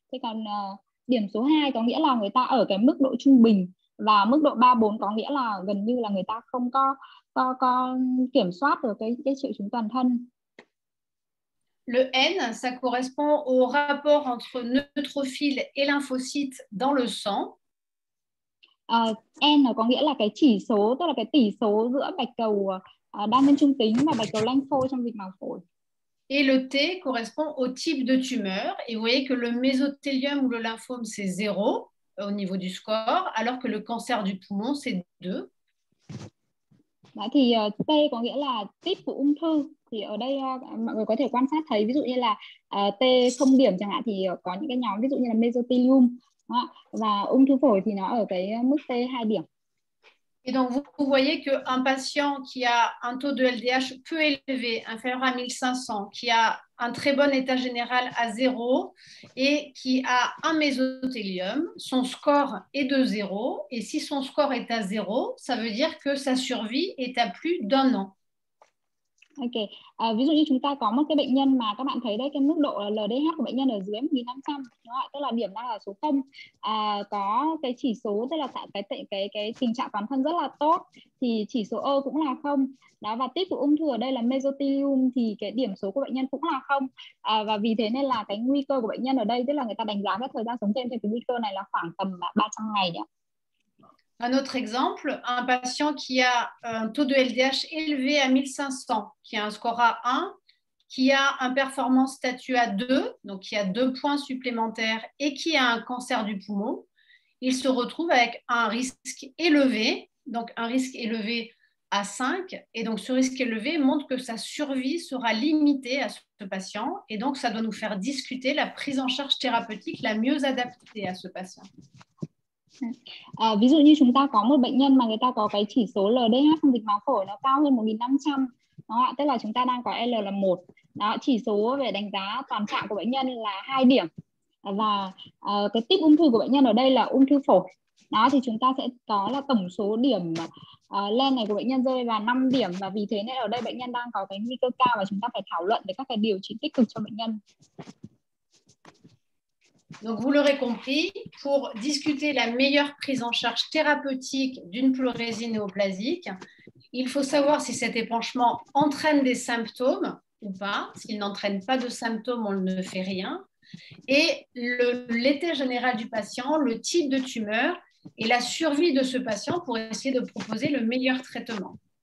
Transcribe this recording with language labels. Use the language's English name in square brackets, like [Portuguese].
[Vietnamese] Thế còn điểm số 2 có nghĩa là người ta ở cái mức độ trung bình, và mức độ 3-4 có nghĩa là gần như là người ta không có kiểm soát được cái triệu chứng toàn thân. [French] Le N, ça correspond au rapport entre neutrophile et lymphocyte dans le sang. [Vietnamese] N có nghĩa là cái chỉ số, tức là cái tỷ số giữa bạch cầu đa nhân trung tính và bạch cầu lympho trong dịch màng phổi. [French] Et le T correspond au type de tumeur. Et vous voyez que le mésothélium ou le lymphome, c'est 0 au niveau du score, alors que le cancer du poumon, c'est 2. [Vietnamese] Bah, thì T có nghĩa là type của ung thư. Thì ở đây mọi người có thể quan sát thấy, ví dụ như là T không điểm chẳng hạn, thì có những cái nhóm ví dụ như là mesothelium. Và ung thư phổi thì nó ở cái mức T 2 điểm. [French] Et donc, vous voyez qu'un patient qui a un taux de LDH peu élevé, inférieur à 1500, qui a un très bon état général à 0 et qui a un mésothélium, son score est de 0. Et si son score est à 0, ça veut dire que sa survie est à plus d'un an. OK. [Vietnamese] Ví dụ như chúng ta có một cái bệnh nhân mà các bạn thấy đây, cái mức độ LDH của bệnh nhân ở dưới 1500, đúng không? Tức là điểm đang là số 0, có cái chỉ số, tức là cái tình trạng toàn thân rất là tốt, thì chỉ số O cũng là 0. Đó, và tiếp của ung thư ở đây là mesothelium, thì cái điểm số của bệnh nhân cũng là 0. Và vì thế nên là cái nguy cơ của bệnh nhân ở đây, tức là người ta đánh giá cái thời gian sống thêm thì cái nguy cơ này là khoảng tầm 300 ngày đấy ạ. [French] Un autre exemple, un patient qui a un taux de LDH élevé à 1500, qui a un score à 1, qui a un performance statut à 2, donc qui a 2 points supplémentaires, et qui a un cancer du poumon, il se retrouve avec un risque élevé, donc un risque élevé à 5, et donc ce risque élevé montre que sa survie sera limitée à ce patient, et donc ça doit nous faire discuter la prise en charge thérapeutique la mieux adaptée à ce patient. [Vietnamese] Ví dụ như chúng ta có một bệnh nhân mà người ta có cái chỉ số LDH trong dịch màng phổi nó cao hơn 1500, tức là chúng ta đang có L là 1, chỉ số về đánh giá toàn trạng của bệnh nhân là 2 điểm, và cái típ ung thư của bệnh nhân ở đây là ung thư phổi, đó thì chúng ta sẽ có là tổng số điểm lên này của bệnh nhân rơi vào 5 điểm, và vì thế nên ở đây bệnh nhân đang có cái nguy cơ cao và chúng ta phải thảo luận để các cái điều trị tích cực cho bệnh nhân. [French] Donc, vous l'aurez compris, pour discuter la meilleure prise en charge thérapeutique d'une pleurésie néoplasique, il faut savoir si cet épanchement entraîne des symptômes ou pas. S'il n'entraîne pas de symptômes, on ne fait rien. Et l'état général du patient, le type de tumeur et la survie de ce patient pour essayer de proposer le meilleur traitement.